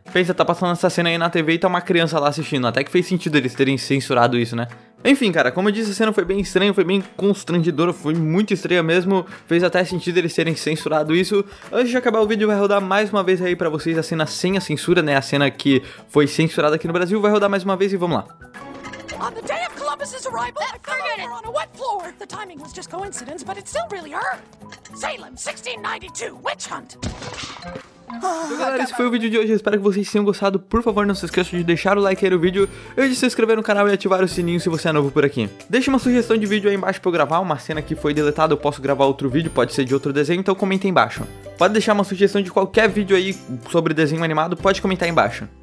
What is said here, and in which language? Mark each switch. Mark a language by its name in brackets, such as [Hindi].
[Portuguese] Pensa, tá passando essa cena aí na TV e tá uma criança lá assistindo, até que fez sentido eles terem censurado isso, né? Enfim, cara, como eu disse, a cena foi bem estranha, foi bem constrangedora, foi muito estranha mesmo, fez até sentido eles terem censurado isso. Antes de acabar o vídeo, vai rodar mais uma vez aí pra vocês a cena sem a censura, né, a cena que foi censurada aqui no Brasil, vai rodar mais uma vez e vamos lá. [English] On the day of Columbus's arrival, that fellow were on a wet floor. The timing was just coincidence, but it still really hurt. Salem, 1692, witch hunt. [Portuguese] Galera, esse foi o vídeo de hoje, espero que vocês tenham gostado. Por favor, não se esqueça de deixar o like aí no vídeo e de se inscrever no canal e ativar o sininho se você é novo por aqui. Deixa uma sugestão de vídeo aí embaixo pra eu gravar, uma cena que foi deletada, eu posso gravar outro vídeo, pode ser de outro desenho, então comenta aí embaixo. Pode deixar uma sugestão de qualquer vídeo aí sobre desenho animado, pode comentar aí embaixo.